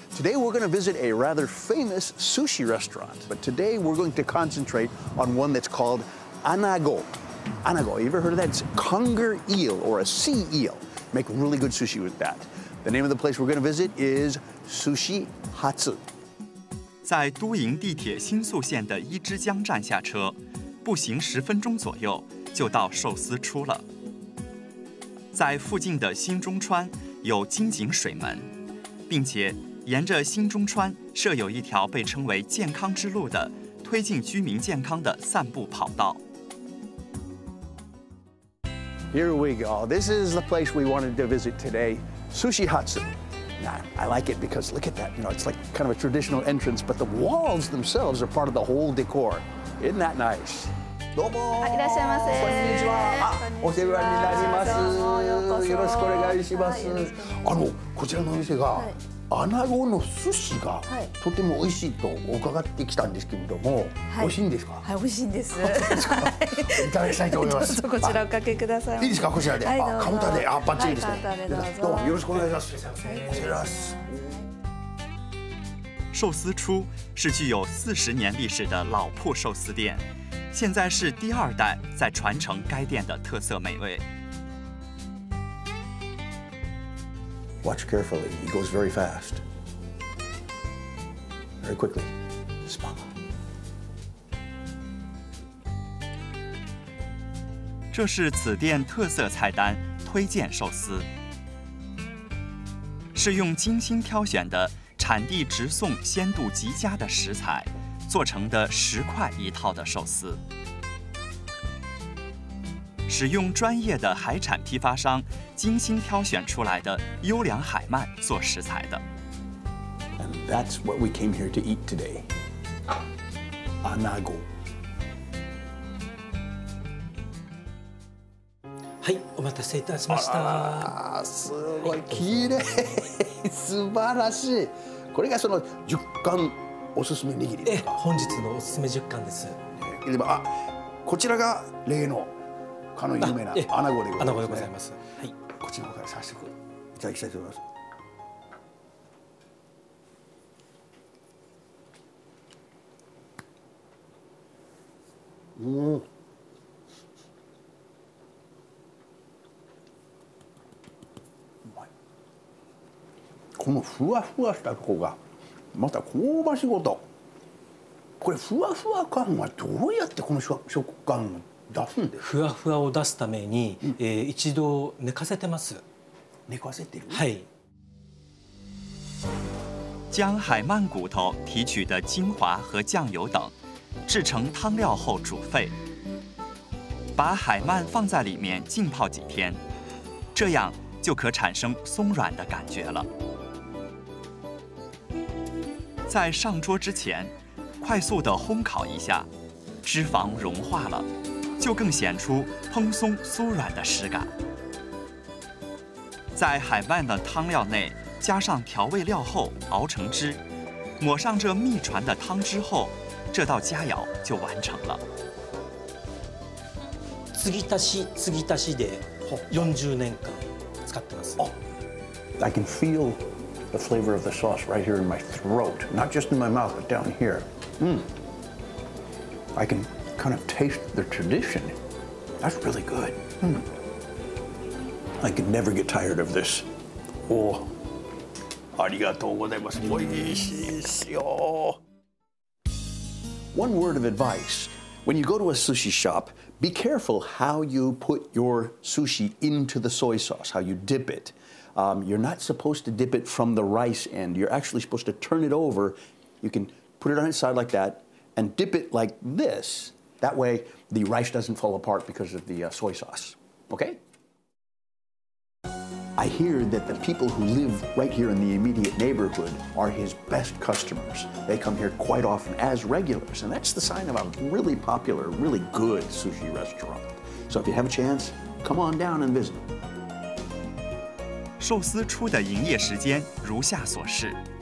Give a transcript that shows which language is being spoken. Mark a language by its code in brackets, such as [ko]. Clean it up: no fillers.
[en] Today we're going to visit a rather famous sushi restaurant, but today we're going to concentrate on one that's called Anago. Anago, you ever heard of that? It's conger eel or a sea eel. Make really good sushi with that. The name of the place we're going to visit is Sushi Hatsu. [zh] 在都营地铁新宿线的伊之江站下车，步行十分钟左右就到寿司出了。在附近的新中川有金井水门，并且沿着新中川设有一条被称为健康之路的推进居民健康的散步跑道。 [en] Here we go. This is the place we wanted to visit today, Sushi Hatsu. Now, I like it because look at that. You know, it's like kind of a traditional entrance, but the walls themselves are part of the whole decor. Isn't that nice? [ja] どうも。いらっしゃいませ。こんにちは。お世話になります。よろしくお願いします。あの、こちらのお店が、アナゴの寿司がとても美味しいと伺ってきたんですけれども、美味しいんですか？はい、美味しいんです。いただきたいと思います。どうぞこちらおかけください。いいですか、こちらで。はい、カウンターで、あ、バッチリですね。はい、カウンターでどうぞ。どうもよろしくお願いします。はい、お願いします。 [zh] 寿司初是具有40年历史的老铺寿司店，现在是第二代在传承该店的特色美味。 [en] Watch carefully. He goes very fast. Very quickly. Spot. [zh] 这是此店特色菜单推荐寿司，是用精心挑选的产地直送、鲜度极佳的食材做成的十块一套的寿司，使用专业的海产批发商精心挑选出来的优良海鳗做食材的。 [en] And that's what we came here to eat today. Anago. [ja] はい、お待たせいたしました。あ、すごい綺麗、素晴らしい。これがその十貫おすすめ握りですか。本日のおすすめ十貫です。でも、あ、こちらが例のかの有名なアナゴでございます、ね。アナゴでございます。はい。こちらから早速いただきたいと思います。うん。このふわふわしたとこがまた香ばしごと。これふわふわ感はどうやってこの食感を出すんですか。ふわふわを出すために、一度寝かせてます。寝かせてる。はい。 [zh] 将海鳗骨头提取的精华和酱油等制成汤料后煮沸，把海鳗放在里面浸泡几天，这样就可产生松软的感觉了。在上桌之前，快速的烘烤一下，脂肪融化了，就更显出蓬松酥软的食感。在海鳗的汤料内加上调味料后熬成汁，抹上这秘传的汤汁后，这道佳肴就完成了。 [ja] 継ぎ足し継ぎ足しで40年間使ってます。 [en] Oh, I can feel. The flavor of the sauce right here in my throat, not just in my mouth, but down here. I can kind of taste the tradition. That's really good. I can never get tired of this. [ja] Oh, ありがとうございます。美味しいですよ。 [en] One word of advice. When you go to a sushi shop, be careful how you put your sushi into the soy sauce, how you dip it. You're not supposed to dip it from the rice end. You're actually supposed to turn it over. You can put it on its side like that and dip it like this. That way, the rice doesn't fall apart because of the soy sauce. Okay? I hear that the people who live right here in the immediate neighborhood are his best customers. They come here quite often as regulars, and that's the sign of a really popular, really good sushi restaurant. So if you have a chance, come on down and visit. [zh] 寿司初的营业时间如下所示。